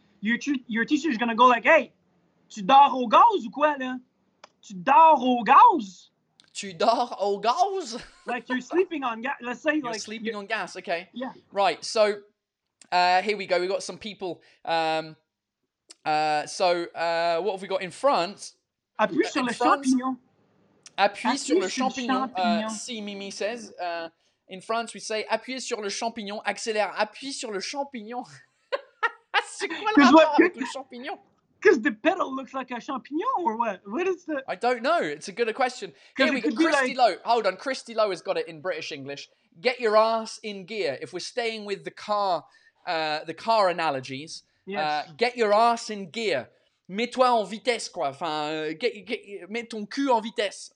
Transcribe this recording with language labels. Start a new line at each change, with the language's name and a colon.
English: Your teacher is going to go like, hey,
French: tu dors au gaz ou quoi, là? Tu dors au gaz? Tu dors au gaz?
English: Like you're sleeping on gas. Let's say you're like, sleeping on gas. Okay. Yeah. Right. So here we go. We've got some people. What have we got in France?
French: Appuie sur le champignon. Appuie sur le champignon. Si Mimi
English: says... in France, we say
French: appuyer sur le champignon, accélère, appuie sur le champignon. C'est quoi le rapport avec le champignon?
English: Because the pedal looks like a champignon or what? What is the... I don't know. It's a good question. Here we go. Christy Lowe. Hold on. Christy Lowe has got it in British English. Get your ass in gear. If we're staying with the car analogies, yes. Get your ass in gear.
French: Mets-toi en vitesse, quoi. Enfin, mets ton cul en vitesse.